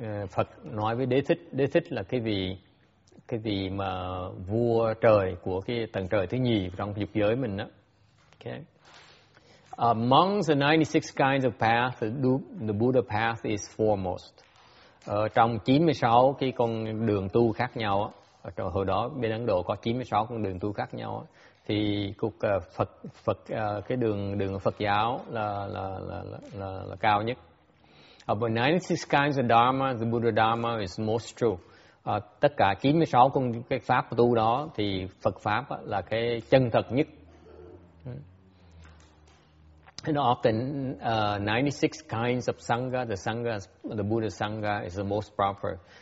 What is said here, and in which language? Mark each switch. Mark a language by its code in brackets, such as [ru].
[vi] Phật nói với Đế Thích là cái vị mà vua trời của cái tầng trời thứ nhì trong dục giới mình đó. [en] Okay. Among the 96 kinds of path, the Buddha path is foremost. [vi] Trong 96 cái con đường tu khác nhau á. Hồi đó bên Ấn Độ có 96 con đường tu khác nhau, thì cuộc Phật cái đường Phật giáo là cao nhất. [en] Of the 96 kinds of Dharma, the Buddha Dharma is most true. [vi] Tất cả 96 con cái pháp tu đó thì Phật pháp là cái chân thật nhất. [en] And often 96 kinds of sangha, the sangha, the Buddha sangha is the most proper.